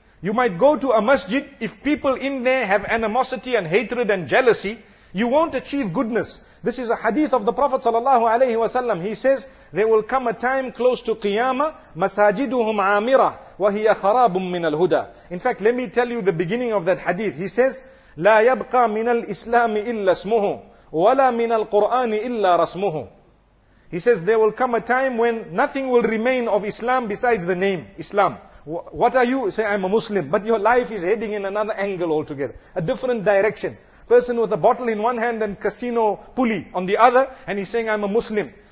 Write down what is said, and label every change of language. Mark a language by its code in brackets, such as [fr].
[en] You might go to a masjid. If people in there have animosity and hatred and jealousy, you won't achieve goodness. This is a hadith of the Prophet sallallahu alaihi wasallam. He says, there will come a time close to Qiyamah, [ar] masajiduhum amira, wa hiya kharabun min al-huda. [en] In fact, let me tell you the beginning of that hadith. He says, [ar] لا يبقى من الإسلام إلا اسمه ولا من القرآن إلا رسمه. [en] He says, there will come a time when nothing will remain of Islam besides the name, Islam. What are you? Say, I'm a Muslim. But your life is heading in another angle altogether. A different direction. Person with a bottle in one hand and casino pulley on the other, and he's saying, I'm a Muslim.